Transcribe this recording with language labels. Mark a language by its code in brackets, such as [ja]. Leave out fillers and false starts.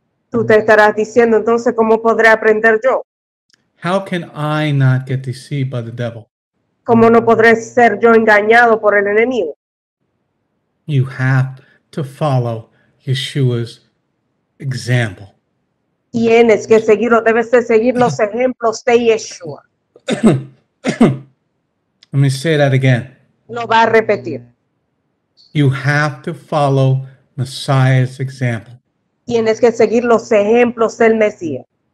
[es] Tú te estarás diciendo, entonces, ¿cómo podré aprender yo? [en] How can I not get deceived by the devil? [es] ¿Cómo no podré ser yo engañado por el enemigo? [en] You have to follow Yeshua's example. [es] Tienes que seguir, debes de seguir los ejemplos de Yeshua. [en] Let me say that again. [es] Lo va a repetir. [en] You have to follow Messiah's example. [es] Tienes que seguir los ejemplos del Mesías.